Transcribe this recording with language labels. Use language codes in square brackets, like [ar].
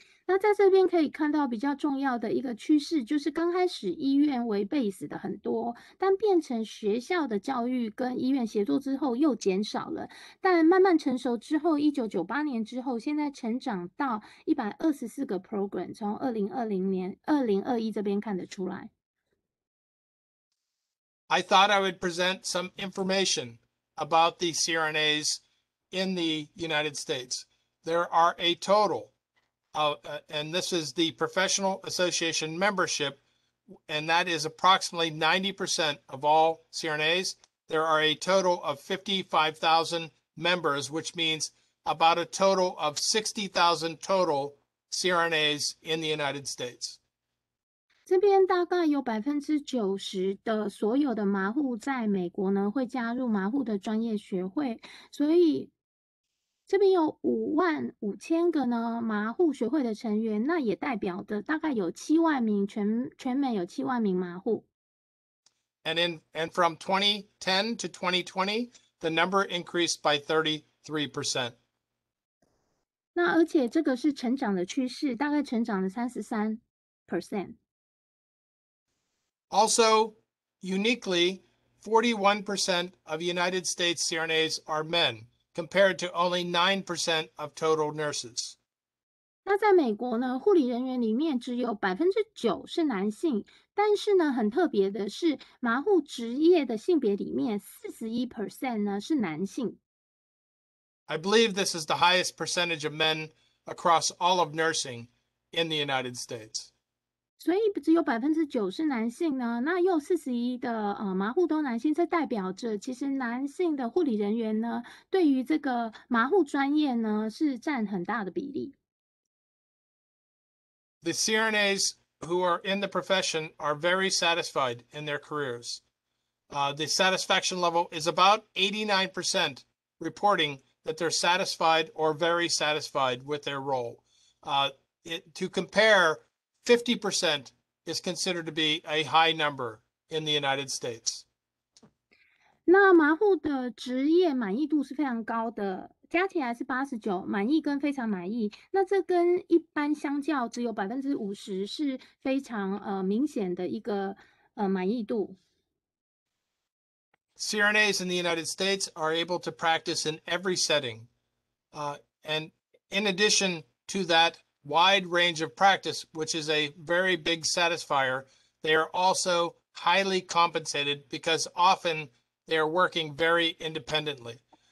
[zh] 那在这边可以看到比较重要的一个趋势，就是刚开始医院为 base 的很多，但变成学校的教育跟医院协作之后又减少了，但慢慢成熟之后，1998年之后，现在成长到124个 program， 从2020年2021这边看得出来。 [en] I thought I would present some information about the CRNAs in the United States. There are a total. And this is the professional association membership, and that is approximately 90% of all CRNAs. There are a total of 55,000 members, which means about a total of 60,000 total CRNAs in the United States. [zh] 这边大概有 90% 的所有的麻醐在美国呢会加入麻醐的专业学会，所以这边有55,000个呢麻醐学会的成员，那也代表的大概有70,000名，全美有70,000名麻醐。 [en] And from 2010 to 2020, the number increased by 33%. [zh] 那而且这个是成长的趋势，大概成长了 33%. [en] Also, uniquely, 41% of United States CRNAs are men. Compared to only 9% of total nurses. [zh] 那在美国呢，护理人员里面只有9%是男性，但是呢，很特别的是，麻醐职业的性别里面41%呢是男性。 [en] I believe this is the highest percentage of men across all of nursing in the United States. [zh] 所以只有9%是男性呢，那又41%的麻醐都男性，这代表着其实男性的护理人员呢，对于这个麻醐专业呢是占很大的比例。 [en] The CRNAs who are in the profession are very satisfied in their careers. The satisfaction level is about 89% reporting that they're satisfied or very satisfied with their role. To compare. 50% is considered to be a high number in the United States. [zh] 那麻醐的职业满意度是非常高的，加起来是89%，满意跟非常满意。那这跟一般相较，只有50%是非常明显的一个满意度。 [en] CRNAs in the United States are able to practice in every setting, and in addition to that. Wide range of practice, which is a very big satisfier. They are also highly compensated because often they are working very independently.